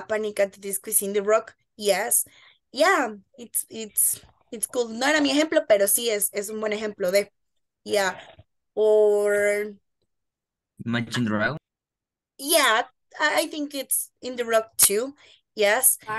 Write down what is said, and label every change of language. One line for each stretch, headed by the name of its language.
English: Panic at the Disco is indie rock, yes. Yeah, it's cool.
Spanish: No era mi ejemplo, pero sí es un buen ejemplo de, yeah.
English: Or Imagine Dragon. Yeah, I think it's in the rock too. Yes.